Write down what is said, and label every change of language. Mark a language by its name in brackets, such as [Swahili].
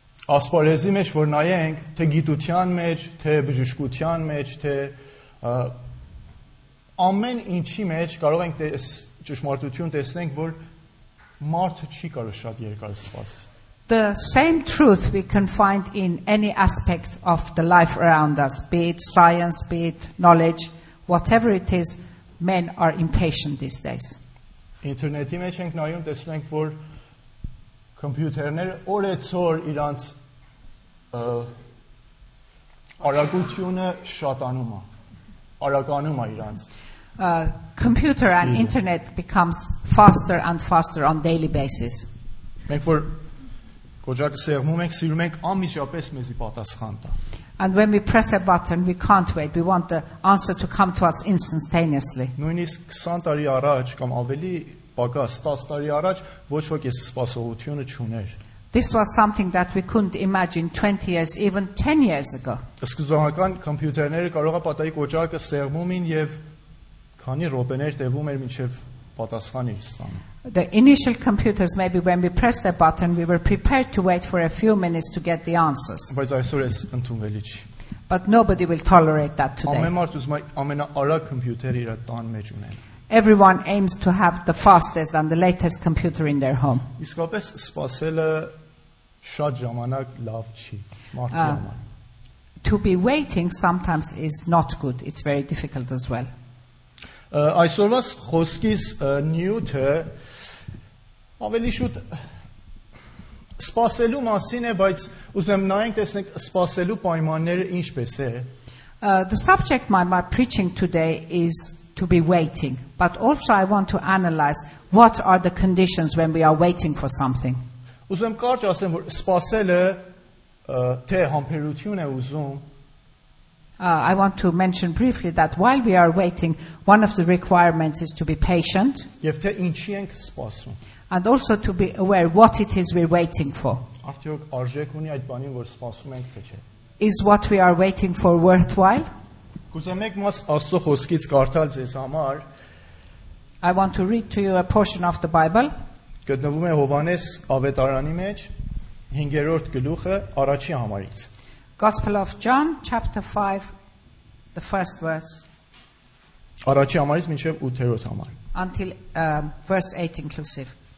[Armenian] Ասպարեզի մեջ, որ նայենք, թե գիտության մեջ, թե բժշկության մեջ, թե ամեն ինչի մեջ կարող ենք ճշմարտություն տեսնենք, որ մարդը չի կարող շատ երկար սպասի. [English] The same truth we can find in any aspect of the life around us, be it science, be it knowledge, whatever it is, men are impatient these days. [Armenian] Ինտերնետի մեջ ենք նայում, տեսնում ենք, որ կոմպյուտերները օրեցօր իրանց արագությունը շատանում է, արագանում է իրանց. [English] Computer and internet becomes faster and faster on daily basis. [Armenian] Մենք որ կոճակը սեղմում ենք, սիրում ենք անմիջապես մեզի պատասխան տա. [English] And when we press a button, we can't wait. We want the answer to come to us instantaneously. [Armenian] Նույնիսկ 20 տարի առաջ կամ ավելի պակաս 10 տարի առաջ ոչ ոք այս սպասողությունը չուներ. [English] This was something that we couldn't imagine 20 years, even 10 years ago. [Armenian] Սկզբնական համակարգիչները կարող է պատահի կոճակը սեղմում էին եւ քանի րոպեներ տևում էր մինչեւ պատասխանը ստանալ. [English] The initial computers, maybe when we pressed the button, we were prepared to wait for a few minutes to get the answers. [Armenian] Բայց այսօր էս ընդունվելի չի. [English] But nobody will tolerate that today. [Armenian] Ամեն մարդ ուզում է ամենաարագ համակարգիչը իր տան մեջ ունենալ. [English] Everyone aims to have the fastest and the latest computer in their home. [Armenian] Իսկապես սպասելը շատ ժամանակ լավ չի մարդու համար. [English] To be waiting sometimes is not good. It's very difficult as well. [Armenian] Այսօրվա խոսքից Newton-ը ավելի շուտ սպասելու մասին է, բայց ուզում եմ նայենք տեսնենք սպասելու պայմանները ինչպես է. [English] The subject of my preaching today is to be waiting, but also I want to analyze what are the conditions when we are waiting for something. [Armenian] Ուզում կարճ ասեմ, որ սպասելը թե համբերություն է ուզում. [English] I want to mention briefly that while we are waiting, one of the requirements is to be patient. [Armenian] Եվ թե ինչի ենք սպասում. [English] And also to be aware what it is we're waiting for. [Armenian] Արդյոք արժեք ունի այդ բանին, որ սպասում ենք, թե չէ. [English] Is what we are waiting for worthwhile? I want to read to you a portion of the Bible. [Armenian] Գտնվում է Հովանես ավետարանի մեջ, 5-րդ գլուխը, առաջի համարից. [English] Gospel of John, chapter 5, the first verse. [Armenian] Առաջի համարից մինչև 8-րդ համար. [English] Until verse 8 inclusive.